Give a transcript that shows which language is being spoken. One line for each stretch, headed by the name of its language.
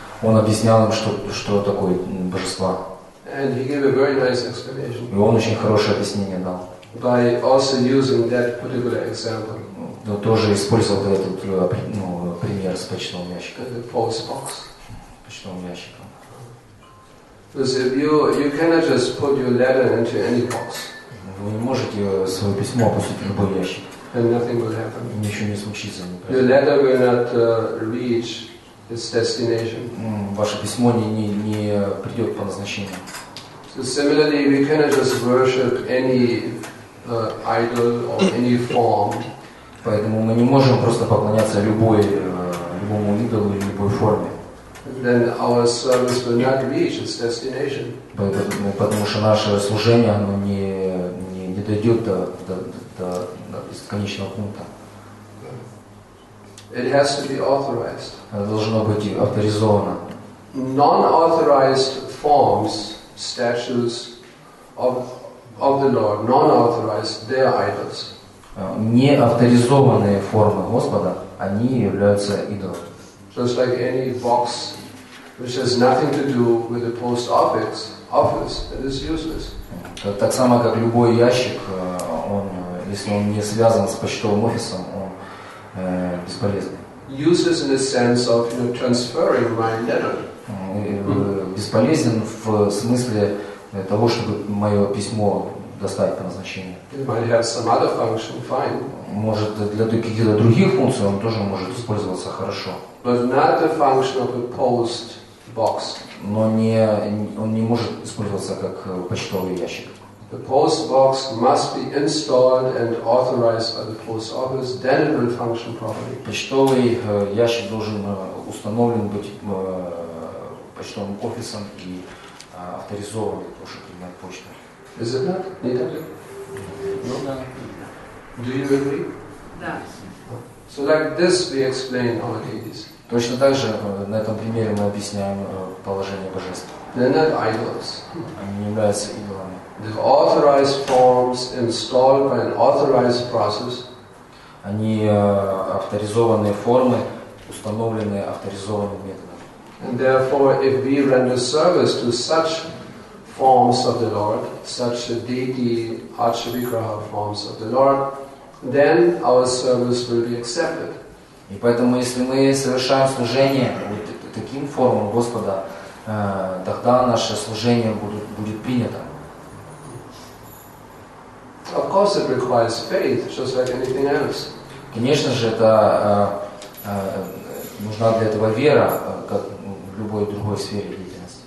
Russian: Он объяснял им, что такое божества.
English: And he gave a very nice explanation.
Russian: И он очень хорошее объяснение дал.
English: By also using that particular example.
Russian: Но тоже использовал этот пример с почтовым ящиком.
English: The post box.
Russian: Почтовым ящиком.
English: Because if you cannot just put your letter into any box.
Russian: Вы не можете свое письмо опустить в любой ящик.
English: And nothing will happen.
Russian: Ничего не случится. Например.
English: Your letter will not reach its destination.
Russian: Ваше письмо не придет по назначению.
English: So similarly, we cannot just worship any idol or any form.
Russian: Поэтому мы не можем просто поклоняться любому идолу или любой форме.
English: Then our service will not reach its destination.
Russian: Потому что наше служение оно не дойдет до конечного пункта.
English: It has to be authorized.
Russian: Это должно быть авторизовано.
English: Non-authorized forms, statues of the Lord, non-authorized, they are idols.
Russian: Неавторизованные формы Господа, они являются идолами.
English: Just like any box which has nothing to do with the post office, it is useless.
Russian: Так само, как любой ящик, если он не связан с почтовым офисом, он бесполезный.
English: Useless in the sense of transferring my letter.
Russian: Бесполезен в смысле того, чтобы мое письмо доставить по назначению.
English: It might have some other function, fine.
Russian: Может, для каких-то других функций он тоже может использоваться хорошо.
English: But not the function of a post box.
Russian: Но он не может использоваться как почтовый ящик.
English: The post box must be installed and authorized by the post office, then it will function properly.
Russian: Почтовый ящик должен установлен быть почтовым офисом и авторизован, чтобы принять почту.
English: Is it not?
Russian: Не так?
English: No. Do you agree?
Russian: Да.
English: So like this we explain our deities.
Russian: Точно так же на этом примере мы объясняем положение божества.
English: They're not idols.
Russian: Они не являются идолами.
English: They're authorized forms installed by an authorized process.
Russian: Они авторизованные формы, установленные авторизованным методом.
English: And therefore, if we render service to such forms of the Lord, such a deity, archivikraha forms of the Lord, then our service will be accepted.
Russian: И поэтому, если мы совершаем служение таким формам Господа, тогда наше служение будет принято.
English: Of course, it requires faith, just like anything else.
Russian: Конечно же, это нужна для этого вера, как в любой другой сфере деятельности.